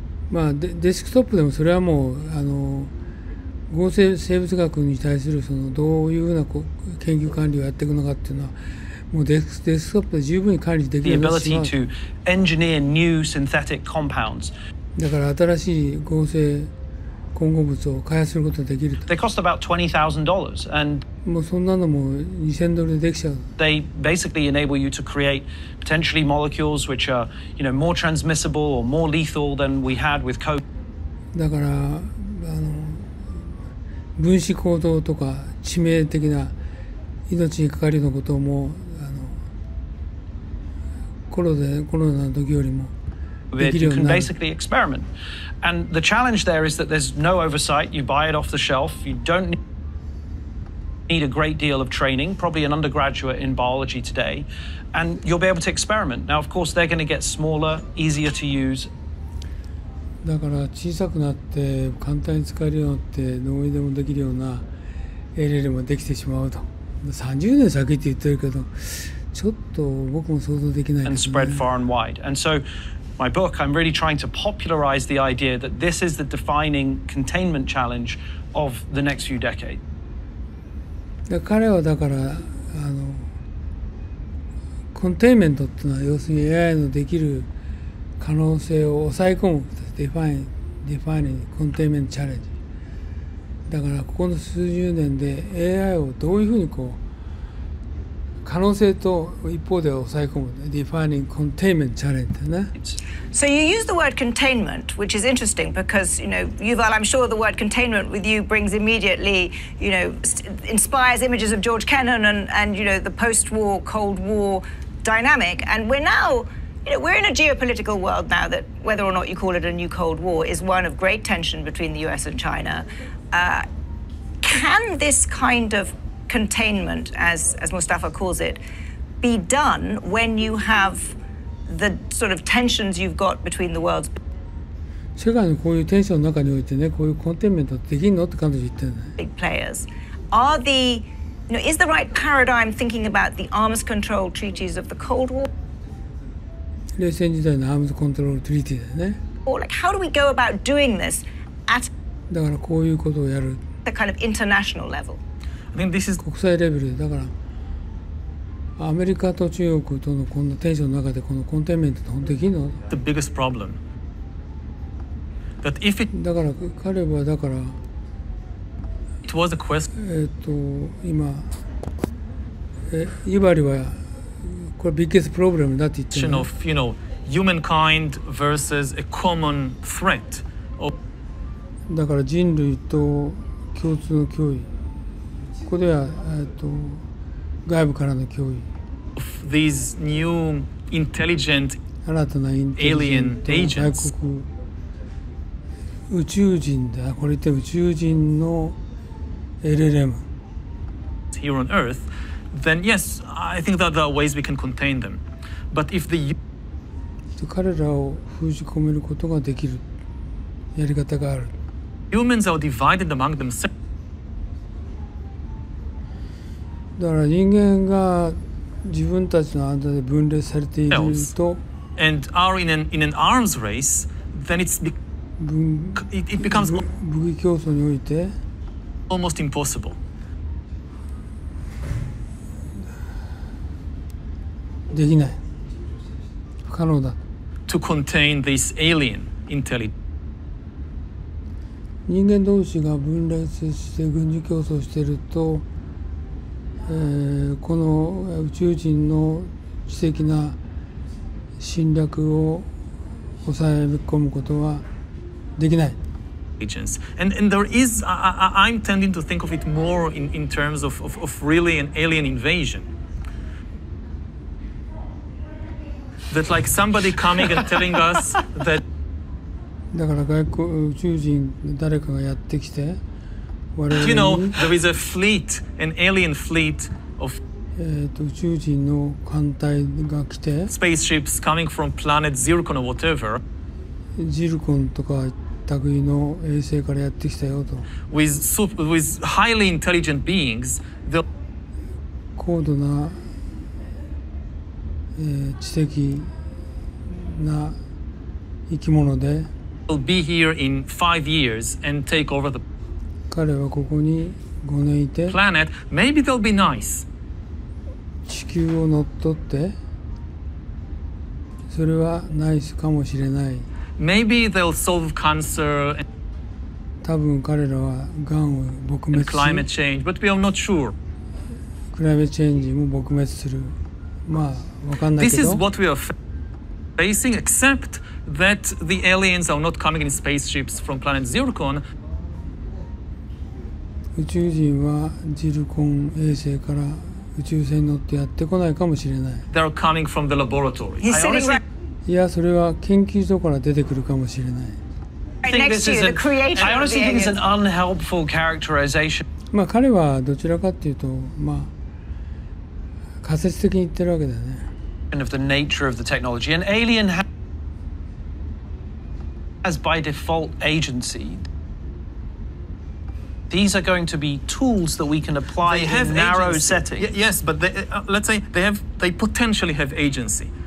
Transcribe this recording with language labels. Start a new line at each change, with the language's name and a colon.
Japanese: まあデスクトップでもそれはもう合成生物学に対するそのどういうふうな研究管理をやっていくのかっていうのは。もうデスクトップで十分に管理できるようになってしまう。だから新しい合成混合物を開発することができると。
English: They cost about $20,000 and
Japanese: もうそんなのも$2,000でできちゃう。
English: They basically enable you to create potentially molecules which are, you know, more transmissible or more lethal than we had with COVID.
Japanese: だから分子行動とか致命的な命にかかるようなことをもうコロナの時よりもできるようになる。
English: You can basically experiment. And the challenge there is that there's no oversight. You buy it off the shelf. You don't need need a great deal of training, probably an undergraduate in biology today, and you'll be able to experiment. Now, of course, they're going to get smaller, easier to use.
Japanese: だから小さくなって簡単に使えるようになって農業でもできるような LLM ができてしまうと。 30年先って言ってるけど、ちょっと僕も想像できないです
English: ね。And spread far and wide. And so, my book, I'm really trying to popularize the idea that this is the defining containment challenge of the next few decades.
Japanese: 彼はだからコンテインメントっていうのは要するに AI のできる可能性を抑え込むディファインコンテインメントチャレンジだからここの数十年で AI をどういうふうにこう可能性と一方では抑え込むディファインコンテインメントチャレンジね。
English: So you use the word containment, which is interesting because, you know, Yuval, I'm sure the word containment with you brings immediately, you know, inspires images of George Kennan and you know, the post-war Cold War dynamic. And we're now, you know, we're in a geopolitical world now that whether or not you call it a new Cold War is one of great tension between the US and China. Can this kind of containment, as Mustafa calls it, be done when you have...
Japanese: 世界のこういうテンションの中においてね、こういうコンテンメントできるのって彼女言ってるね。
English: Big players. Are the, you know, is the right paradigm thinking about the arms control treaties of the Cold War?
Japanese: 冷戦時代のアームズコントロールトリーティーだよね。
English: Or like, how do we go about doing this at?
Japanese: だからこういうことをやる。
English: The kind of international level. I think this is
Japanese: 国際レベルでだから。アメリカと中国とのこのテンションの中でこのコンテンメントってできるの
English: The biggest problem. That if it...
Japanese: だから彼はだから
English: It was a quest.
Japanese: 今ユバリはこれビッグスプロブレムだって言って
English: る of, you know, humankind versus a common threat of...
Japanese: だから人類と共通の脅威ここでは外部からの脅威
English: These new intelligent alien agents.
Japanese: 宇宙人だ。これって宇宙人の LLM.
English: Here on Earth, then yes, I think that there are ways we can contain them. But if the
Japanese: 彼らを封じ込めることができるやり方がある。
English: Humans are divided among themselves.
Japanese: だから人間が自分たちの間で分裂されていると
English: and are in an arms race then it's it becomes
Japanese: 武器競争において
English: almost impossible
Japanese: できない不可能だ
English: to contain this alien intelligence
Japanese: 人間同士が分裂して軍事競争していると。この宇宙人の知的な侵略を抑え込むことはできない。
English: Agents and there is I'm tending to think of it more in terms of really an alien invasion. That like somebody coming and telling us that.
Japanese: だから外国宇宙人誰かがやってきて。
English: You know, there is a fleet, an alien fleet of
Japanese: 宇宙人の艦隊が来て
English: spaceships coming from planet Zircon or whatever
Japanese: Zircon とか類の衛星からやってきたよと
English: with highly intelligent beings
Japanese: 高度な、知的な生き物で
English: will be here in 5 years and take over the
Japanese: 彼はここに5年いて
English: Planet, maybe they'll be nice.
Japanese: 地球を乗っ取ってそれはナイスかもしれない
English: maybe they'll solve cancer and
Japanese: 多分彼らはがんを撲滅する
English: climate change, but we are not sure.
Japanese: クライメチェンジも撲滅するまあ分かんないけど
English: This is what we are facing except that the aliens are not coming in spaceships from planet Zircon.
Japanese: 宇宙人はジルコン衛星から宇宙船に乗ってやってこないかもしれない。
English: They are coming from the laboratory. He's sitting right.
Japanese: いや、それは研究所から出てくるかもしれない。
English: Next year, the creation. I honestly think it's an unhelpful characterization.
Japanese: まあ彼はどちらかというと、まあ仮説的に言ってるわけだよね。
English: And of the nature of the technology, an alien has by default agency. These are going to be tools that we can apply in narrow settings. Yes, but they, let's say they potentially have agency.